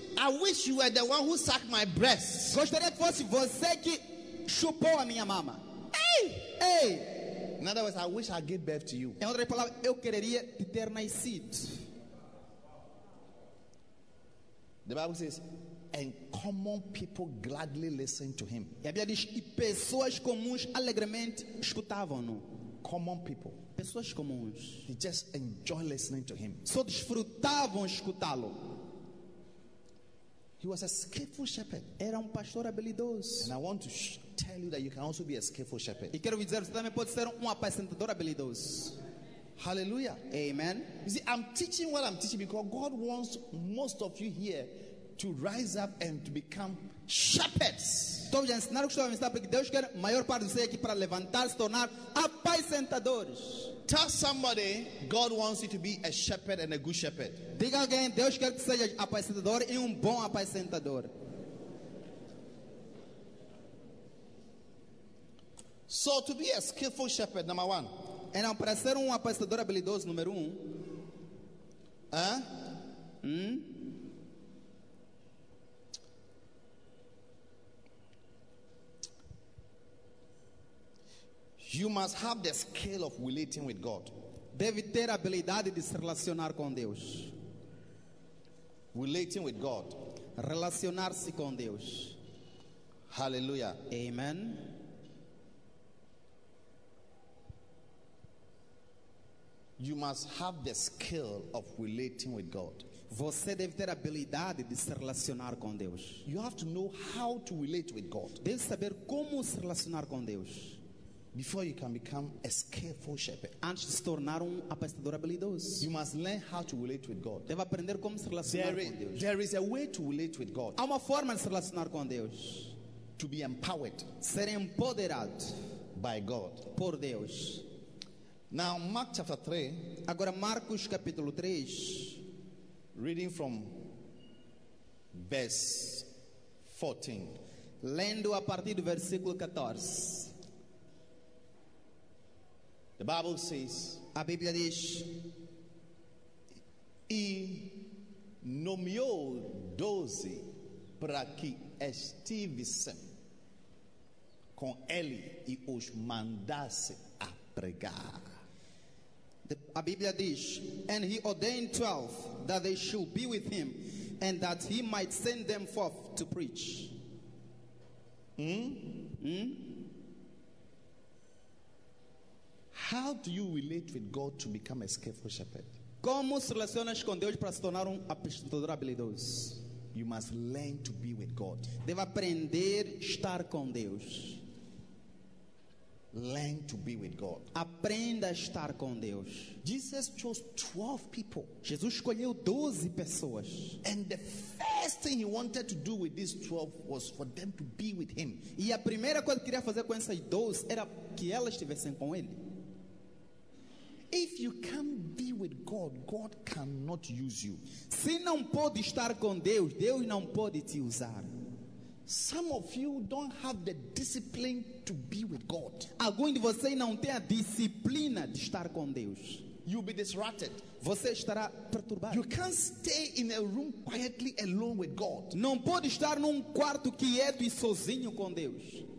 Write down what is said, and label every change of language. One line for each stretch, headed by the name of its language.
English: I wish you were the one who sucked my breast.
Portuguese: Gostaria que fosse você que chupou a minha mama. Hey!
English: In other words, I wish I gave birth to you.
Portuguese: Em outras palavras, eu quereria te ter nascido.
English: The Bible says, and common people gladly listened to him.
Portuguese: E a Bíblia diz, e pessoas comuns alegremente escutavam-no.
English: Common people.
Portuguese: Pessoas comuns.
English: They just enjoy listening to him.
Portuguese: Só desfrutavam escutá-lo.
English: He was a skillful shepherd.
Portuguese: Era pastor habilidoso.
English: And I want to tell you that you can also be a skillful shepherd.
Portuguese: E quero dizer, você também pode ser apacentador habilidoso. Hallelujah. Amen.
English: You see, I'm teaching what I'm teaching because God wants most of you here to rise up and to become shepherds.
Portuguese: Estou a ensinar o que estou a ensinar porque Deus quer a maior parte de vocês aqui para levantar, se tornar apacentadores.
English: Tell somebody God wants you to be a shepherd and a good shepherd.
Portuguese: Diga alguém, Deus quer que seja apacentador e bom apacentador.
English: So to be a skillful shepherd, number one.
Portuguese: Então, para ser apacentador habilidoso, número um.
English: You must have the skill of relating with God.
Portuguese: Deve ter a habilidade de se relacionar com Deus.
English: Relating with God.
Portuguese: Relacionar-se com Deus. Hallelujah. Amen.
English: You must have the skill of relating with God.
Portuguese: Você deve ter a habilidade de se relacionar com Deus.
English: You have to know how to relate with God.
Portuguese: Deve saber como se relacionar com Deus.
English: Before you can become a skillful shepherd,
Portuguese: antes de se tornar apacentador habilidoso,
English: you must learn how to relate with God.
Portuguese: Deve aprender como se relacionar com Deus.
English: There is a way to relate with God.
Portuguese: Há uma forma de se relacionar com Deus.
English: To be empowered.
Portuguese: Ser empoderado.
English: By God.
Portuguese: Por Deus.
English: Now, Mark chapter 3.
Portuguese: Agora, Marcos capítulo 3.
English: Reading from verse 14.
Portuguese: Lendo a partir do versículo 14.
English: The Bible says,
Portuguese: a Bíblia diz, e nomeou 12 para que estivessem com ele e os mandasse a pregar. A Bíblia diz,
English: and he ordained 12 that they should be with him and that he might send them forth to preach. How do you relate with God to become a skillful shepherd?
Portuguese: Como se relacionas com Deus para se tornar apicultor habilidoso?
English: You must learn to be with God.
Portuguese: Deve aprender a estar com Deus.
English: Learn to be with God.
Portuguese: Aprenda a estar com Deus.
English: Jesus chose 12 people.
Portuguese: Jesus escolheu 12 pessoas.
English: And the first thing he wanted to do with these 12 was for them to be with him.
Portuguese: E a primeira coisa que queria fazer com essas 12 era que elas estivessem com ele.
English: If you can't be with God, God cannot use you.
Portuguese: Se não pode estar com Deus, Deus não pode te usar.
English: Some of you don't have the discipline to be with God.
Portuguese: Alguns de vocês não têm a disciplina de estar com Deus.
English: You'll be distracted.
Portuguese: Você estará perturbado.
English: You can't stay in a room quietly alone with God.
Portuguese: Não pode estar num quarto quieto e sozinho com Deus.